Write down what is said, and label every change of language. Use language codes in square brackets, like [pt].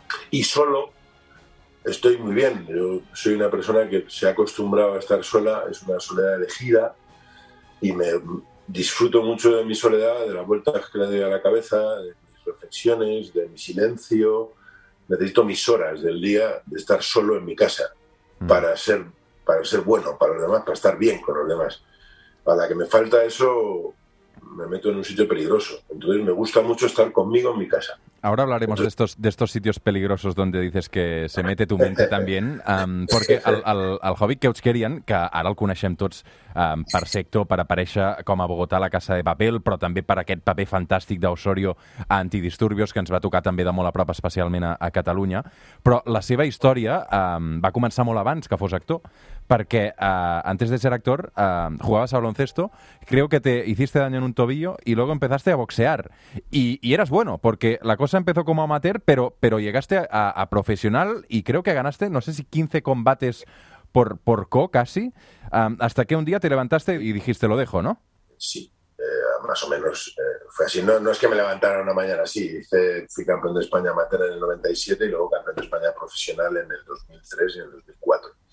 [es] Y solo estoy muy bien. Yo soy una persona que se ha acostumbrado a estar sola, es una soledad elegida, y me disfruto mucho de mi soledad, de las vueltas que le doy a la cabeza, de mis reflexiones, de mi silencio. Necesito mis horas del día de estar solo en mi casa para ser bueno para los demás, para estar bien con los demás. A la que me falta eso, me meto en un sitio peligroso. Entonces me gusta mucho estar conmigo en mi casa. Ahora hablaremos de estos sitios peligrosos donde dices que se mete tu mente también, porque el Hobbit que querían, [ca] que ara el coneixem tots per secto, per aparèixer com a Bogotà a La Casa de Papel, però també per aquest paper fantàstic d'Osorio a Antidisturbios, que ens va tocar també de molt a prop, especialment a Catalunya. Però la seva història va començar molt abans que fos actor, perquè [es] antes de ser actor jugabas a baloncesto, creo que te hiciste daño en un tobillo y luego empezaste a boxear. Y eras bueno, porque la cosa empezó como amateur, pero llegaste a profesional y creo que ganaste, no sé si 15 combates por KO casi, hasta que un día te levantaste y dijiste, lo dejo, ¿no? Sí, más o menos fue así. No es que me levantara una mañana, sí, fui campeón de España amateur en el 97 y luego campeón de España profesional en el 2003 y en el 2004.